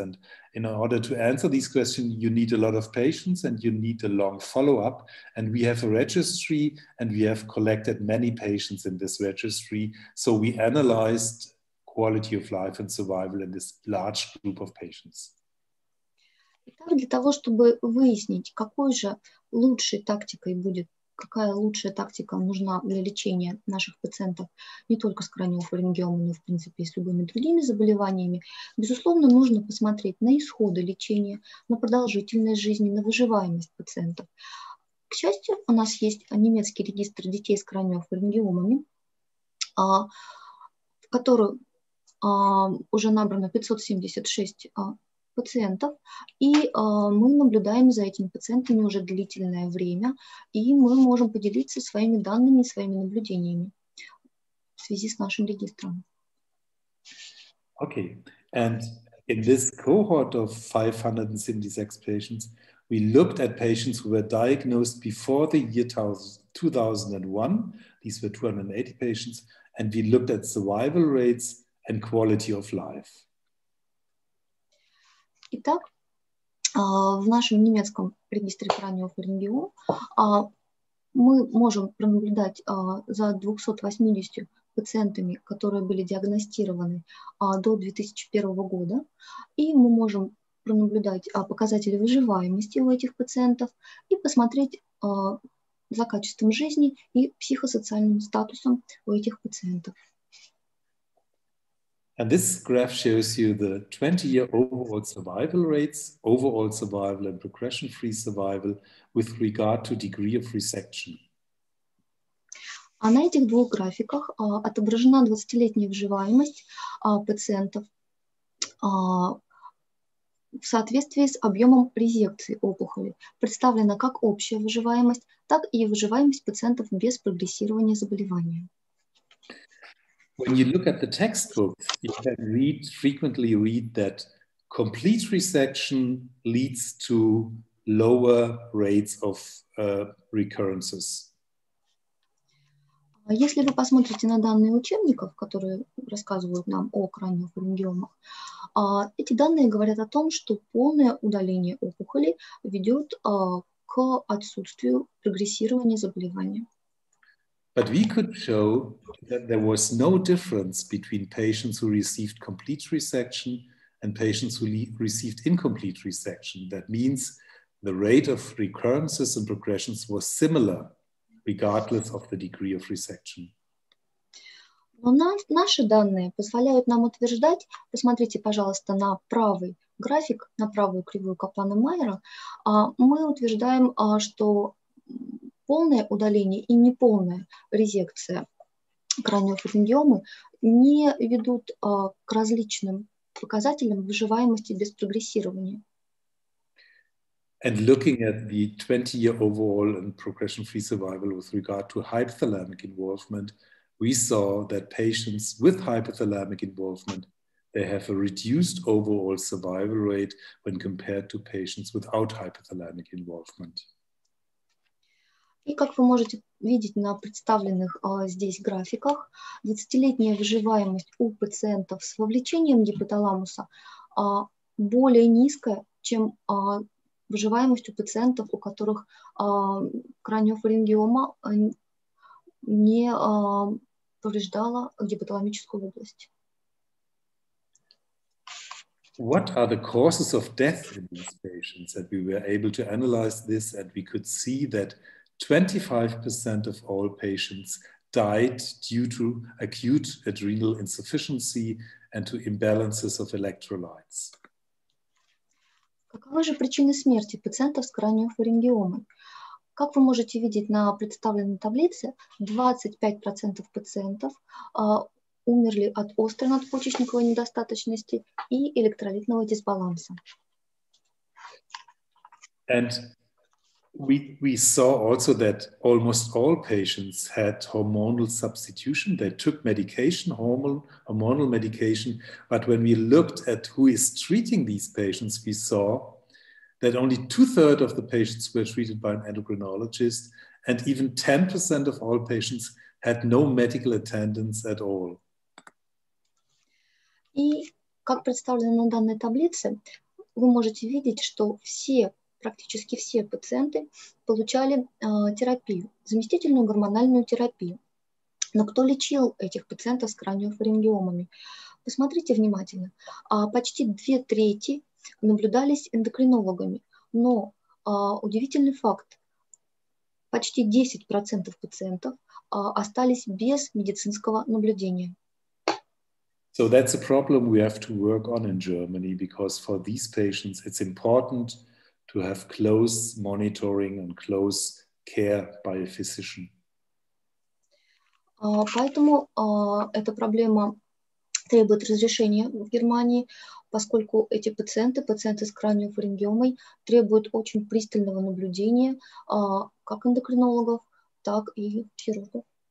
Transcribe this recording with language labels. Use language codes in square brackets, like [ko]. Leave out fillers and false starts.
[en] And in order to answer these questions, you need a lot of patients and you need a long follow-up. And we have a registry, and we have collected many patients in this registry. So we analyzed quality of life and survival in this large group of patients. [ru] Итак, для того, чтобы выяснить, какой же лучшей тактикой будет, какая лучшая тактика нужна для лечения наших пациентов не только с краниофарингиомой, но, в принципе, и с любыми другими заболеваниями, безусловно, нужно посмотреть на исходы лечения, на продолжительность жизни, на выживаемость пациентов. К счастью, у нас есть немецкий регистр детей с краниофарингиомами, в который уже набрано 576 пациентов, и мы наблюдаем за этими пациентами уже длительное время, и мы можем поделиться своими данными, своими наблюдениями в связи с нашим регистром. [en] Okay, and in this cohort of 576 patients, we looked at patients who were diagnosed before the year 2001, these were 280 patients, and we looked at survival rates and quality of life. [ru] Итак, в нашем немецком регистре краниофарингиом мы можем пронаблюдать за 280 пациентами, которые были диагностированы до 2001 года, и мы можем пронаблюдать показатели выживаемости у этих пациентов и посмотреть за качеством жизни и психосоциальным статусом у этих пациентов. [en] And this graph shows you the 20-year overall survival rates, overall survival and progression-free survival with regard to degree of resection. [ru] А на этих двух графиках отображена 20-летняя выживаемость пациентов в соответствии с объемом резекции опухоли. Представлена как общая выживаемость, так и выживаемость пациентов без прогрессирования заболевания. [en] When you look at the textbook, you can read, frequently read that complete resection leads to lower rates of recurrences. [ru] Если вы посмотрите на данные учебников, которые рассказывают нам о краниофарингиомах, эти данные говорят о том, что полное удаление опухоли ведет к отсутствию прогрессирования заболевания. [en] But we could show that there was no difference between patients who received complete resection and patients who received incomplete resection. That means the rate of recurrences and progressions was similar, regardless of the degree of resection. [ru] Но наши данные позволяют нам утверждать, посмотрите, пожалуйста, на правый график, на правую кривую Каплана-Майера, мы утверждаем, что полное удаление и неполная резекция краниофарингиомы не ведут к различным показателям выживаемости без прогрессирования. [en] And looking at the 20-year overall and progression-free survival with regard to hypothalamic involvement, we saw that patients with hypothalamic involvement, they have a reduced overall survival rate when compared to patients without hypothalamic involvement. [ru] И как вы можете видеть на представленных здесь графиках, 20-летняя выживаемость у пациентов с вовлечением гипоталамуса более низкая, чем выживаемость у пациентов, у которых краниофарингиома не повреждала гипоталамическую область. [en] What are the causes of death in these patients? That we were able to analyze this and we could see that 25% of all patients died due to acute adrenal insufficiency and to imbalances of electrolytes. [ru] Каковы же причины смерти пациентов с краниофарингиомой? Как вы можете видеть на представленной таблице, 25% пациентов умерли от острой надпочечниковой недостаточности и электролитного дисбаланса. [en] And we saw also that almost all patients had hormonal substitution. They took medication, hormonal medication. But when we looked at who is treating these patients, we saw that only 2/3 of the patients were treated by an endocrinologist, and even 10% of all patients had no medical attendance at all. [ru] И как представлено на данной таблице, вы можете видеть, что все, практически все пациенты получали терапию, заместительную гормональную терапию. Но кто лечил этих пациентов с краниофарингиомами? Посмотрите внимательно. Почти 2/3 наблюдались эндокринологами. Но удивительный факт, почти 10% пациентов остались без медицинского наблюдения. [en] So that's a problem we have to work on in Germany, because for these patients it's important to have close monitoring and close care by a physician. [ru] Поэтому эта проблема требует разрешения в Германии, поскольку эти пациенты с краниофарингиомой, требуют очень пристального наблюдения как эндокринологов, так и хирургов.